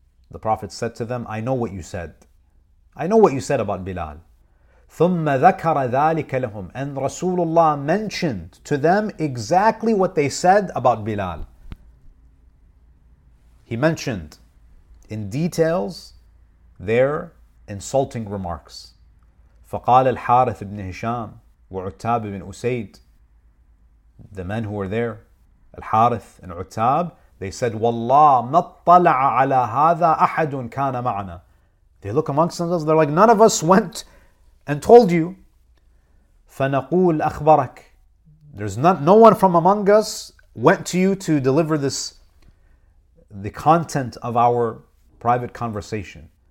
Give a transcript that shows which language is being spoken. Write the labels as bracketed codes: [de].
[en] The Prophet said to them, I know what you said. I know what you said about Bilal. [ar] ثُمَّ ذَكَرَ ذَلِكَ لَهُمْ. [en] And Rasulullah mentioned to them exactly what they said about Bilal. He mentioned in details their insulting remarks. [ar] فَقَالَ الْحَارِثِ بْنِ هِشَامِ وَعُتَّابِ بْنِ أُسَيْدِ. [en] The men who were there, Al-Harith and Utab, they said, [ar] وَاللَّهُ مَطَّلَعَ عَلَى هَذَا أَحَدٌ كَانَ مَعْنَا. [en] They look amongst themselves, they're like, none of us went and told you. [ar] فَنَقُولْ أَخْبَرَكْ. [en] There's no one from among us went to you to deliver this, the content of our private conversation.